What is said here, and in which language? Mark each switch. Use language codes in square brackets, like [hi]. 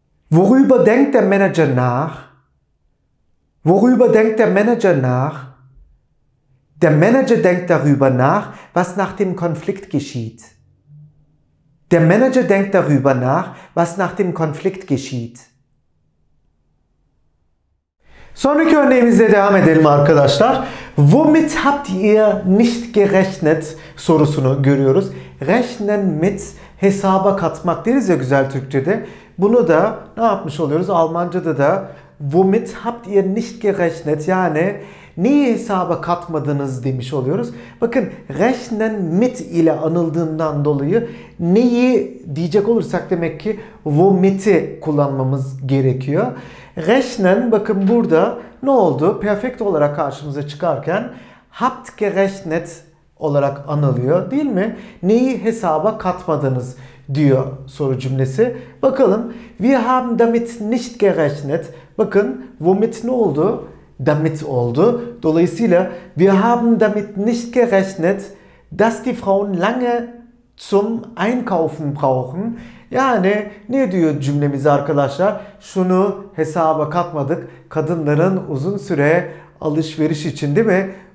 [de] Worüber denkt der Manager nach? Worüber denkt der Manager nach? Der Manager denkt darüber nach, was nach dem Konflikt geschieht. Der Manager denkt darüber nach, was nach dem Konflikt geschieht. [tr] Sonraki örneğimizle devam edelim arkadaşlar. [de] Womit habt ihr nicht gerechnet [tr] sorusunu görüyoruz. Rechnen mit hesaba katmak deriz ya güzel Türkçe'de. Bunu da ne yapmış oluyoruz? Almanca'da da [de] womit habt ihr nicht gerechnet [tr] yani neyi hesaba katmadınız demiş oluyoruz. Bakın rechnen mit ile anıldığından dolayı neyi diyecek olursak demek ki womit'i kullanmamız gerekiyor. Rechnen bakın burada ne oldu? Perfekt olarak karşımıza çıkarken [de] habt gerechnet [tr] olarak anılıyor değil mi? Neyi hesaba katmadınız diyor soru cümlesi. Bakalım [de] wir haben damit nicht gerechnet. [tr] Bakın womit ne oldu? Damit oldu. Dolayısıyla [de] wir haben damit nicht gerechnet, dass die Frauen lange zum Einkaufen brauchen. [tr] Yani ne diyor cümlemiz arkadaşlar? Şunu hesaba katmadık. Kadınların uzun süre alışveriş için değil mi?